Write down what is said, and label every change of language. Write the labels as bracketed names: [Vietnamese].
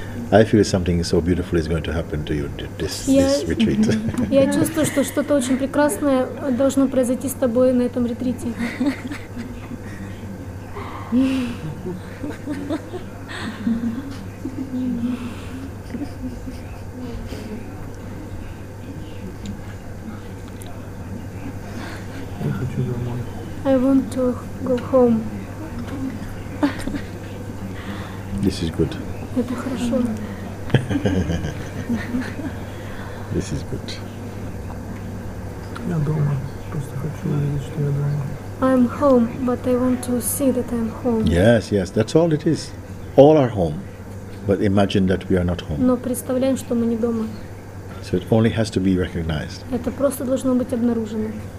[English] I feel something so beautiful is going to happen to you this retreat. [Russian] Я чувствую, что что-то очень прекрасное должно произойти с тобой на этом ретрите. [English] I want to go home. This is good. [Russian] Это хорошо. [English] This is good. [Russian] Я дома. Просто хочу увидеть, что я дома. [English] I'm home, but I want to see that I'm home. Yes, yes, that's all it is. All are home, but imagine that we are not home. [Russian] Но представляем, что мы не дома. [English] So it only has to be recognized. [Russian] Это просто должно быть обнаружено.